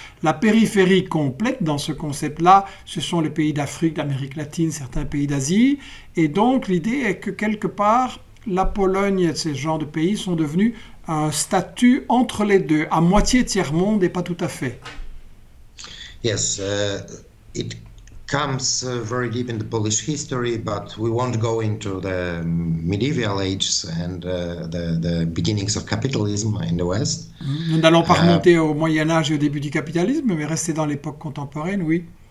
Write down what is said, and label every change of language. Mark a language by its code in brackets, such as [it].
[fr] La périphérie complète dans ce concept-là, ce sont les pays d'Afrique, d'Amérique latine, certains pays d'Asie. Et donc l'idée est que quelque part, la Pologne et ce genre de pays sont devenus un statut entre les deux, à moitié tiers-monde et pas tout à fait. [en] Yes, it comes very deep in the Polish history, but we won't go into the medieval ages and the beginnings of capitalism in the West. [fr] Nous n'allons pas remonter au Moyen Âge et au début du capitalisme, mais rester dans l'époque contemporaine, oui.